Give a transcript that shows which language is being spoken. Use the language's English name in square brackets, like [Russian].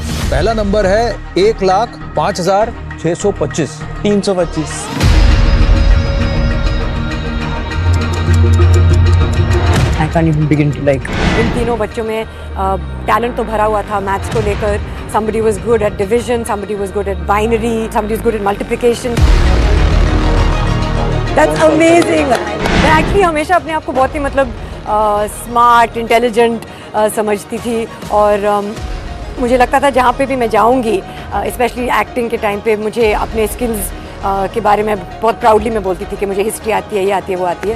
[Hindi] पहला नंबर है 105,625 325 [English] I can't even begin to like. [Hindi] इन तीनों बच्चों में टैलेंट तो भरा हुआ था मैथ्स को लेकर. [English] Somebody was good at division, somebody was good at binary, somebody was good at multiplication. That's amazing. [Hindi] मैं एक्चुअली हमेशा अपने आप को बहुत ही मतलब स्मार्ट इंटेलिजेंट समझती थी और मुझे लगता था जहाँ पे भी मैं जाऊँगी स्पेशली एक्टिंग के टाइम पे मुझे अपने स्किल्स के बारे में बहुत प्राउडली मैं बोलती थी कि मुझे हिस्ट्री आती है ये आती है वो आती है.